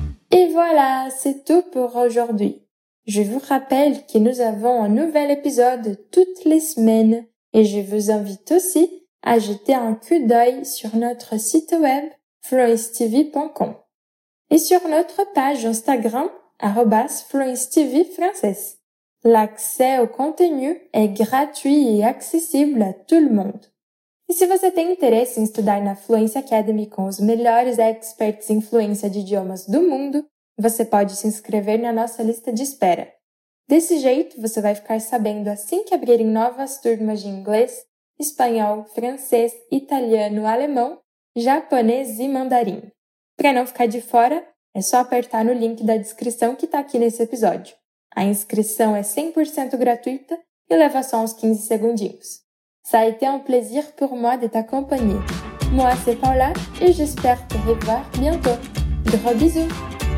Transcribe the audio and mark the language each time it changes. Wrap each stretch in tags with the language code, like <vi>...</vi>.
<fr>Et voilà, c'est tout pour aujourd'hui. Je vous rappelle que nous avons un nouvel épisode toutes les semaines et je vous invite aussi à jeter un coup d'œil sur notre site web fluencetv.com et sur notre page Instagram @fluencetvfrançaise. L'accès au contenu est gratuit et accessible à tout le monde.</fr> <pt>E se você tem interesse em estudar na Fluency Academy com os melhores experts em fluência de idiomas do mundo, você pode se inscrever na nossa lista de espera. Desse jeito, você vai ficar sabendo assim que abrirem novas turmas de inglês, espanhol, francês, italiano, alemão, japonês e mandarim. Para não ficar de fora, é só apertar no link da descrição que está aqui nesse episódio. A inscrição é 100% gratuita e leva só uns 15 segundinhos.</pt> <fr>Ça a été un plaisir pour moi de t'accompagner. Moi, c'est Paula et j'espère te revoir bientôt. Gros bisous!</fr>